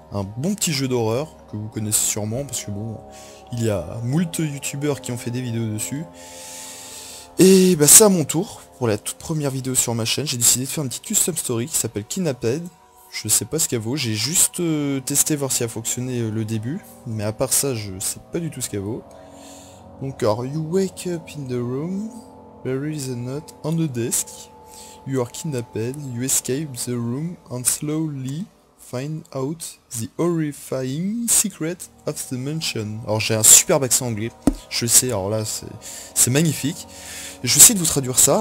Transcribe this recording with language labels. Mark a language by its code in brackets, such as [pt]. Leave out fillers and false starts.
[fr] Un bon petit jeu d'horreur que vous connaissez sûrement parce que bon, il y a moult youtubeurs qui ont fait des vidéos dessus. Et bah c'est à mon tour pour la toute première vidéo sur ma chaîne. J'ai décidé de faire une petite custom story qui s'appelle Kidnapped. Je sais pas ce qu'elle vaut, j'ai juste testé voir si elle fonctionnait le début, mais à part ça, je sais pas du tout ce qu'elle vaut. Donc, alors, [en] you wake up in the room, there is a note on the desk, you are kidnapped, you escape the room and slowly find out the horrifying secret of the mansion. [fr] Alors, j'ai un superbe accent anglais, je sais, alors là, c'est magnifique. Je vais essayer de vous traduire ça.